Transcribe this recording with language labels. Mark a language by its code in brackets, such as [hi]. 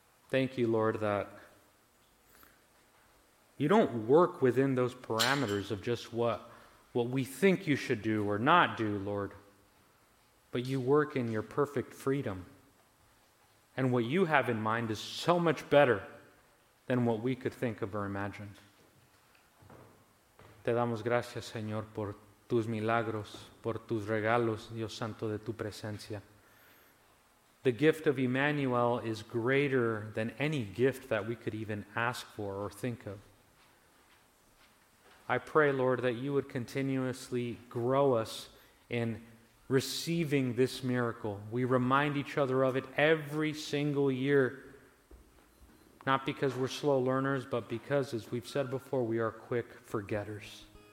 [en] Thank you, Lord, that you don't work within those parameters of just what we think you should do or not do, Lord, but you work in your perfect freedom. And what you have in mind is so much better than what we could think of or imagine. [es] Te damos gracias, Señor, por tus milagros, por tus regalos, Dios Santo, de tu presencia. [en] The gift of Emmanuel is greater than any gift that we could even ask for or think of. I pray, Lord, that you would continuously grow us in receiving this miracle. We remind each other of it every single year, not because we're slow learners, but because, as we've said before, we are quick forgetters.